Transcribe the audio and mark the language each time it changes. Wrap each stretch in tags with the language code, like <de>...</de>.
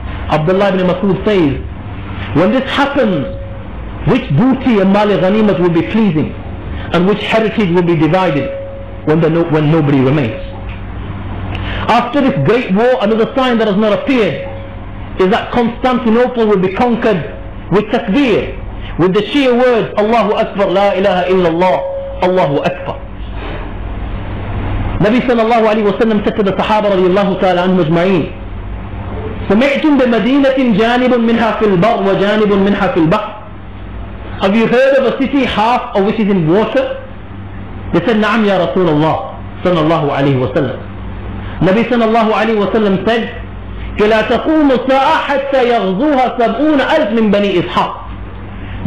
<en>Abdullah ibn Mas'ud says, when this happens, which booty and mali ghanimat will be pleasing and which heritage will be divided when nobody remains? After this great war, another sign that has not appeared is that Constantinople will be conquered with takbir, with the sheer words, Allahu Akbar, La ilaha illallah, Allahu Akbar. Nabi sallallahu alayhi wa sallam said to the Sahaba radiallahu ta'ala anhu ajma'een,</en> <ar>سمعتم بمدينة جانب منها في البر وجانب منها في البحر.</ar> <en>Have you heard of a city half of which is in water? They said,</en> <ar>نعم يا رسول الله صلى الله عليه وسلم. نبي صلى الله عليه وسلم</ar> <en>said,</en> <ar>كلا تقوم الساعة حتى يغزوها 70,000 من بني إسحاق.</ar>